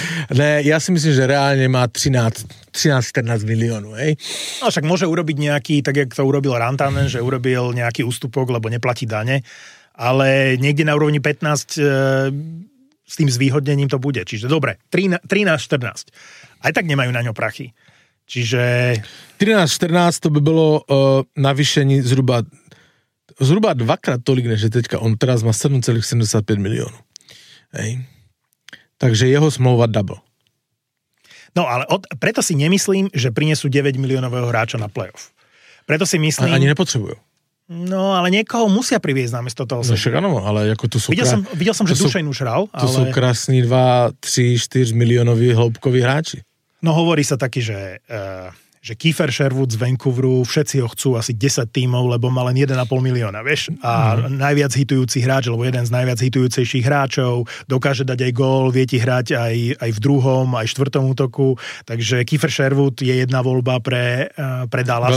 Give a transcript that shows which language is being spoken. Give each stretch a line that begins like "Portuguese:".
Slovak: Ne, ja si myslím, že reálne má 13-14 miliónov, hej? No však môže urobiť nejaký, tak jak to urobil Rantanen, že urobil nejaký ústupok, lebo neplatí dane. Ale niekde na úrovni 15 s tým zvýhodnením to bude. Čiže dobre, 13-14. Aj tak nemajú na ňo prachy. Čiže...
Czech: 13-14 to by bolo navýšení zhruba dvakrát tolik, než teďka.
Slovak: On teraz má 7,75 miliónu. Hej.
Czech: Takže jeho smlouva double.
Slovak: No ale preto si nemyslím, že prinesú 9 miliónového hráča na playoff. Preto si myslím...
Czech: Ani nepotřebuju. No, ale někoho musí přivést namísto toho. No, však ano, ale jako to jsou... Viděl jsem, že Dušan Ušral, ale... To jsou krásný 2-3-4 miliónoví hloubkoví hráči.
Slovak: No, hovorí se taky, že Kiefer Sherwood z Vancouveru, všetci ho chcú asi 10 tímov, lebo má len 1,5 milióna, vieš? A najviac hitujúci hráč, alebo jeden z najviac hitujúcejších hráčov, dokáže dať aj gól, vie ti hrať aj v druhom, aj v štvrtom útoku, takže Kiefer Sherwood je jedna voľba pre Dallas.